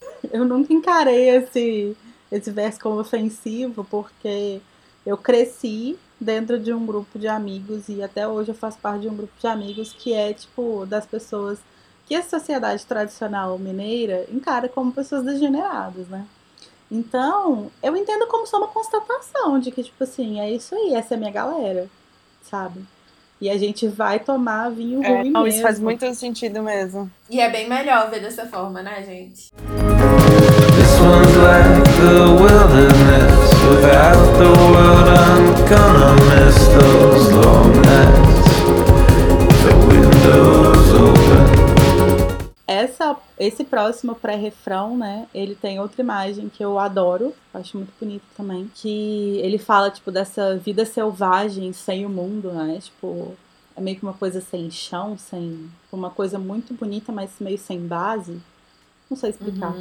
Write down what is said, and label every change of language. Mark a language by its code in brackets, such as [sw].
[pt] Eu nunca encarei esse verso como ofensivo, porque eu cresci dentro de um grupo de amigos e até hoje eu faço parte de um grupo de amigos que é, tipo, das pessoas que a sociedade tradicional mineira encara como pessoas degeneradas, né? Então, eu entendo como só uma constatação de que, tipo assim, é isso aí, essa é a minha galera, sabe? E a gente vai tomar vinho ruim mesmo. Isso faz muito sentido mesmo. E é bem melhor ver dessa forma, né, gente? [en] This one's like the wilderness. Without the world, I'm gonna miss those long nights. The windows open. [pt] Esse próximo pré-refrão, né, ele tem outra imagem que eu adoro, acho muito bonito também, que ele fala, tipo, dessa vida selvagem sem o mundo, né, tipo, é meio que uma coisa sem chão, sem uma coisa muito bonita, mas meio sem base, não sei explicar.